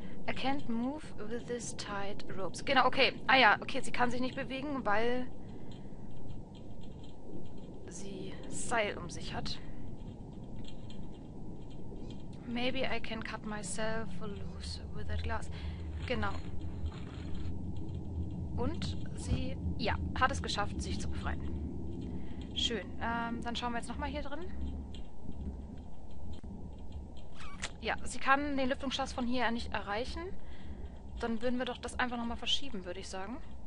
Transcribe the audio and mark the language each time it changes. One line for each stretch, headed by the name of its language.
English: I can't move with this tight ropes.
German: Genau, okay. Ah ja, okay, sie kann sich nicht bewegen, weil sie Seil um sich hat.
English: Maybe I can cut myself loose with that glass.
German: Genau. Und sie, ja, hat es geschafft, sich zu befreien. Schön. Dann schauen wir jetzt nochmal hier drin. Ja, sie kann den Lüftungsschacht von hier nicht erreichen. Dann würden wir doch das einfach nochmal verschieben, würde ich sagen.